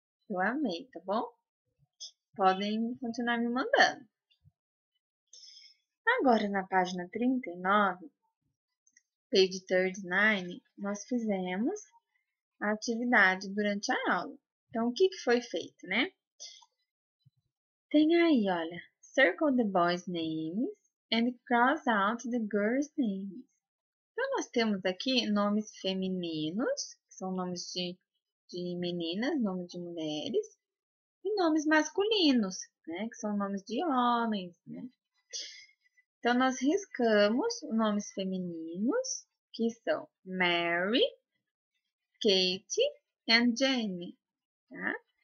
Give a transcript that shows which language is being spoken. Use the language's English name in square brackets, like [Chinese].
[Portuguese] Eu amei, tá bom? Podem continuar me mandando. Agora, na página 39, page 39, nós fizemos a atividade durante a aula. Então, o que que foi feito, né? Tem aí, olha, [English] circle the boys' names and cross out the girls' names. [Portuguese] Então, nós temos aqui nomes femininos, que são nomes de meninas, nomes de mulheres, e nomes masculinos, né, que são nomes de homens, né? Então, nós riscamos nomes femininos, que são Mary, Kate and Jenny, tá?